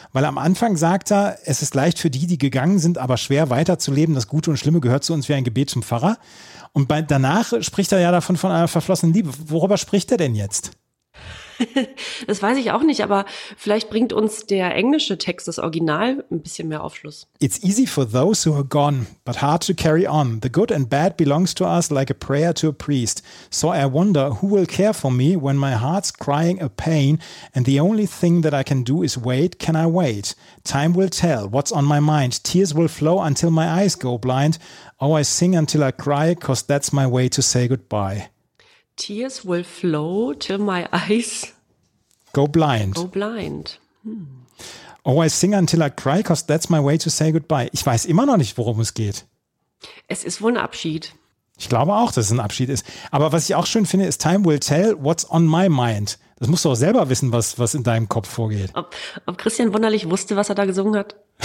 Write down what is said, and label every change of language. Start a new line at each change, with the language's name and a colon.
German: Weil am Anfang sagt er, es ist leicht für die, die gegangen sind, aber schwer weiterzuleben. Das Gute und Schlimme gehört zu uns wie ein Gebet zum Pfarrer. Und danach spricht er ja davon von einer verflossenen Liebe. Worüber spricht er denn jetzt? Das weiß ich auch nicht, aber vielleicht bringt uns der englische Text, das Original, ein bisschen mehr Aufschluss.
English: It's easy for those who are gone, but hard to carry on. The good and bad belongs to us like a prayer to a priest. So I wonder who will care for me when my heart's crying a pain and the only thing that I can do is wait. Can I wait? Time will tell what's on my mind. Tears will flow until my eyes go blind. Oh, I sing until I cry, 'cause that's my way to say goodbye. Tears will flow till my eyes go blind. Go blind. Oh, I sing until I cry, 'cause that's my way to say goodbye.
German: Ich weiß immer noch nicht, worum es geht. Es ist wohl ein Abschied. Ich glaube auch, dass es ein Abschied ist. Aber was ich auch schön finde, ist
English: time will tell what's on my mind.
German: Das musst du auch selber wissen, was in deinem Kopf vorgeht. Ob Christian Wunderlich wusste, was er da gesungen hat?